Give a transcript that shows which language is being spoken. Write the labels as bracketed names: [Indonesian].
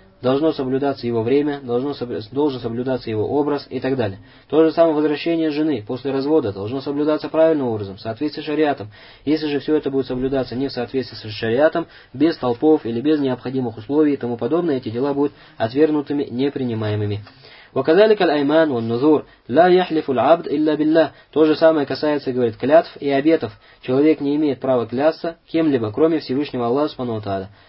[Russian] Должно соблюдаться его время, должен соблюдаться его образ и так далее. То же самое возвращение жены после развода должно соблюдаться правильным образом, в соответствии с шариатом. Если же все это будет соблюдаться не в соответствии с шариатом, без толпов или без необходимых условий и тому подобное, эти дела будут отвергнутыми, непринимаемыми. [Arabic] وكذلك الايمان والنذور لا يحلف العبد الا بالله. [Russian] То же самое касается, говорит, клятв и обетов. Человек не имеет права клясться кем-либо, кроме Всевышнего Аллаха Субхану ва Тааля.